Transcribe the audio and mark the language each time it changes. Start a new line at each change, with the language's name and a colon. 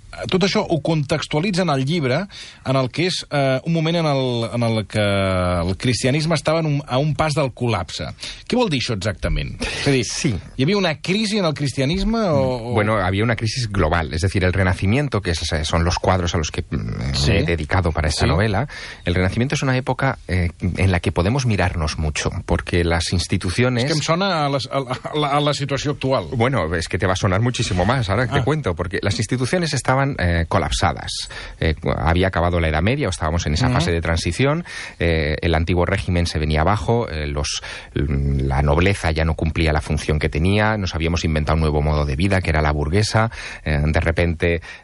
Catalan: Tot això ho contextualitza en el llibre, en el que és un moment en el que el cristianisme estava a un pas del col·lapse. Què vol dir això exactament? És a dir, sí. Hi havia una crisi en el cristianisme o... Bueno, havia una crisi global. És a dir,
Spanish: el Renacimiento, que són los cuadros a los que he dedicado para esta novela, el Renacimiento es una época en la que podemos mirarnos mucho, porque las instituciones...
Catalan: És que em sona a la situació actual.
Spanish: Bueno, és que te va a sonar muchísimo más, ahora te cuento, porque las instituciones estaban colapsadas. Había acabado la Edad Media, o estábamos en esa fase de transición, el antiguo régimen se venía abajo, la nobleza ya no cumplía la función que tenía, nos habíamos inventado un nuevo modo de vida, que era la burguesa, de repente